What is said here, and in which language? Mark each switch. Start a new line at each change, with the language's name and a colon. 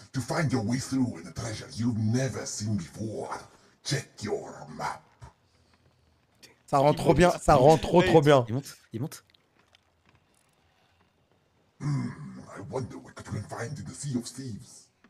English: To find your way through in a treasure you've never seen before, check your map.
French: Ça rend trop bien, ça rend trop bien. Il monte.
English: I wonder what could we find in the Sea of Thieves.